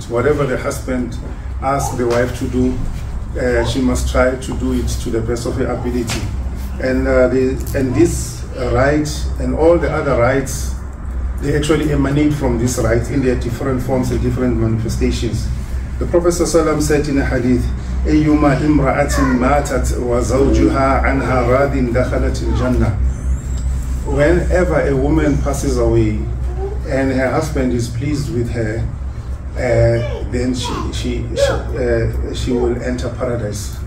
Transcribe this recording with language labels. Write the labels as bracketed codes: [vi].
[en] Whatever the husband asks the wife to do, she must try to do it to the best of her ability. And this right and all the other rights, they actually emanate from this right in their different forms and different manifestations. The Prophet ﷺ said in a hadith, [ar] أَيُّمَا إِمْرَأَةٍ مَاتَتْ وَزَوْجُهَا عَنْهَا رَادٍ دَخَلَتِ الْجَنَّةِ. [en] Whenever a woman passes away and her husband is pleased with her, then she will enter paradise.